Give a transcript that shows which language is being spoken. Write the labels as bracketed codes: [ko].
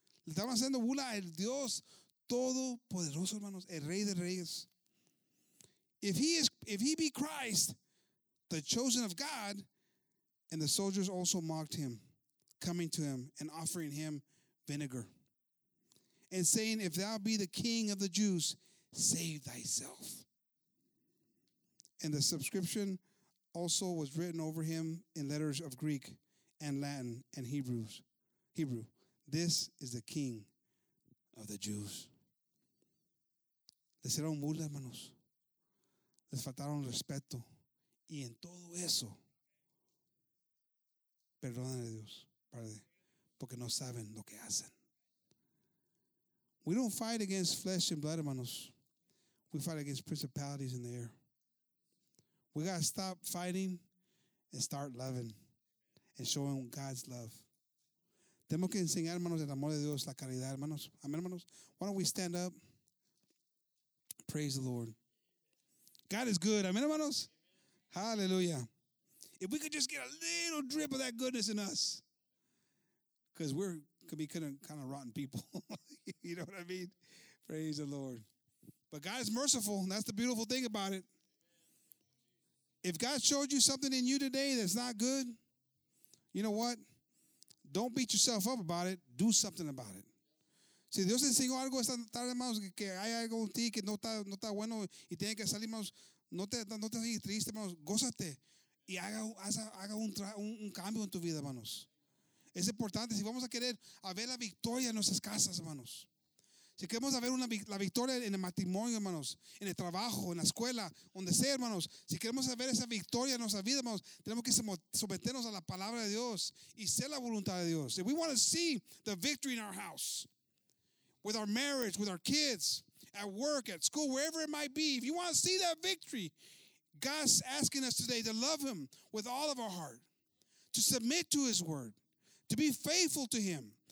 [es] Le estaban haciendo bula al Dios Todopoderoso, hermanos, el Rey de Reyes. [en] If he be Christ, the chosen of God, and the soldiers also mocked him, coming to him and offering him vinegar. And saying, if thou be the king of the Jews, save thyself. And the subscription also was written over him in letters of Greek and Latin and Hebrew. This is the king of the Jews. [es] Les hicieron burla, hermanos. Les faltaron respeto. Y en todo eso, perdónale Dios, Padre, porque no saben lo que hacen. [en] We don't fight against flesh and blood, hermanos. We fight against principalities in the air. We got to stop fighting and start loving and showing God's love. [es] Tenemos que enseñar, hermanos, el amor de Dios, la caridad, hermanos. [en] Amen, hermanos. Why don't we stand up? Praise the Lord. God is good. Amen, hermanos. Hallelujah. If we could just get a little drip of that goodness in us, because we're could be kind of rotten people. You know what I mean? Praise the Lord. But God is merciful. And that's the beautiful thing about it. If God showed you something in you today that's not good, you know what? Don't beat yourself up about it. Do something about it. [es] Si Dios enseñó algo esta tarde, hermanos, que hay algo en ti que no está bueno y tiene que salir, hermanos, no te sigas triste, hermanos. Gózate y haga un cambio en tu vida, hermanos. Es importante, si vamos a querer a ver la victoria en nuestras casas, hermanos. Si queremos a ver la victoria en el matrimonio, hermanos, en el trabajo, en la escuela, donde sea, hermanos. Si queremos a ver esa victoria en nuestra vida, hermanos, tenemos que someternos a la palabra de Dios y ser la voluntad de Dios. [en] If we want to see the victory in our house, with our marriage, with our kids, at work, at school, wherever it might be, if you want to see that victory, God's asking us today to love him with all of our heart, to submit to his word, to be faithful to him.